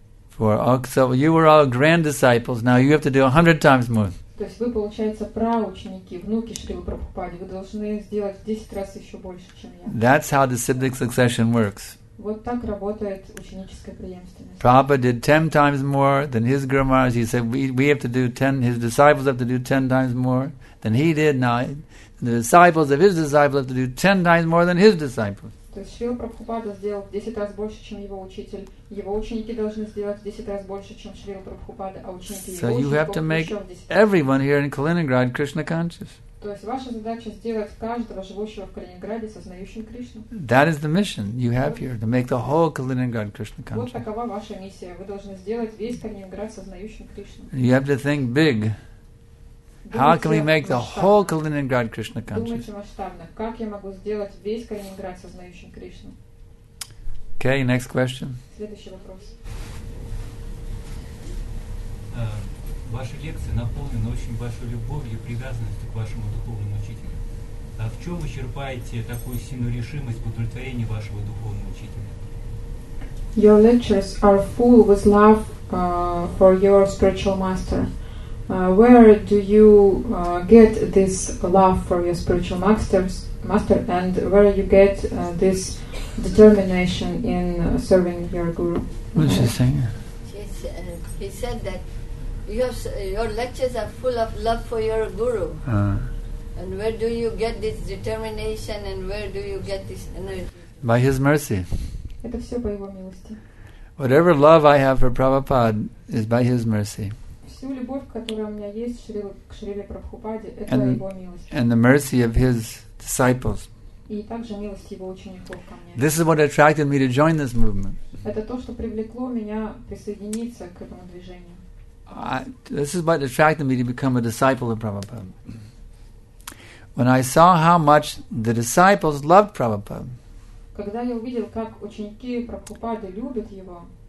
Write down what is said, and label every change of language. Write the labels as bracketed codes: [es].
[en] For all, so you were all grand disciples. Now you have to do 100 times more. [ru] То есть вы, получается, праученики, внуки Шрилы Прабхупады. Вы должны сделать в 10 раз еще больше, чем я. [en] That's how the siblic succession works. [ru] Вот так работает ученическая преемственность. [en] Prabhupada did 10 times more than his Guru Maharaj. He said, we have to do 10, his disciples have to do 10 times more than he did. Now, the disciples of his disciples have to do 10 times more than his disciples. [ru] То есть Шрила Прабхупада сделал 10 раз больше, чем его учитель. Его ученики должны сделать 10 раз больше, чем Шрила Прабхупада, а ученики его учеников. [en] So you have to make everyone here in Kaliningrad Krishna conscious. [ru] То есть ваша задача сделать каждого живущего в Калининграде сознающим Кришну. [en] That is the mission you have here, to make the whole Kaliningrad Krishna conscious. [ru] Вот такова ваша миссия. Вы должны сделать весь Калининград сознающим Кришну. [en] You have to think big. How can we make the whole Kaliningrad Krishna conscious? [ru] Думайте масштабно. Как я могу сделать весь Калининград сознающим Кришну? [en] Okay, next question. [ru] Следующий вопрос. Ваши лекции наполнены очень большой любовью и привязанностью к вашему духовному учителю. А в чем вы черпаете такую сильную решимость к удовлетворению вашего духовного учителя? [en] Your lectures are full with love for your spiritual master. Where do you get this love for your spiritual master, and where you get this determination in serving your guru? What is she saying? He said that your lectures are full of love for your guru. And where do you get this determination, and where do you get this energy? By his mercy. [ru] Это все по его милости. [en] Whatever love I have for Prabhupada is by his mercy. [ru] Всю любовь, которая у меня есть к Шриле Прабхупаде, это его милость. [en] And the mercy of his disciples. [ru] И также милость его учеников ко мне. [en] This is what attracted me to join this movement. [ru] Это то, что привлекло меня присоединиться к этому движению. [en] This is what attracted me to become a disciple of Prabhupada. When I saw how much the disciples loved Prabhupada, [ru] когда я увидел, как ученики Прабхупады любят его,